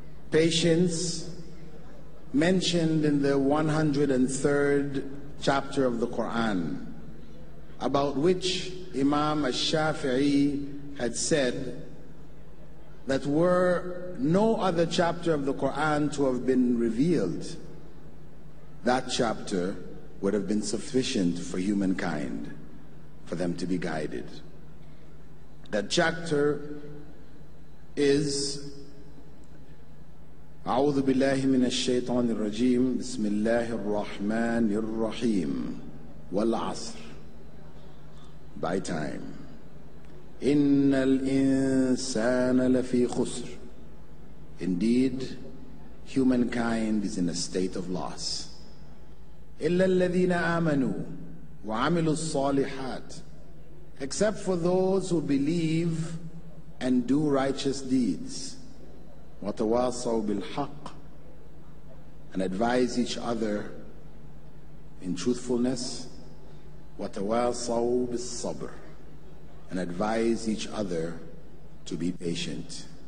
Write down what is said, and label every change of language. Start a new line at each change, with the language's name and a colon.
English: Patience, mentioned in the 103rd chapter of the Quran, about which Imam al-Shafi'i had said that were no other chapter of the Quran to have been revealed, that chapter would have been sufficient for humankind, for them to be guided. That chapter is
Arabic: أعوذ بالله من الشيطان الرجيم بسم الله الرحمن الرحيم والعصر.
English: By time.
Arabic: إن الإنسان لفي خسر.
English: Indeed, humankind is in a state of loss.
Arabic: إلا الذين آمنوا وعملوا الصالحات.
English: Except for those who believe and do righteous deeds.
Arabic: وتواصوا بالحق,
English: and advise each other in truthfulness.
Arabic: وتواصوا بالصبر,
English: and advise each other to be patient.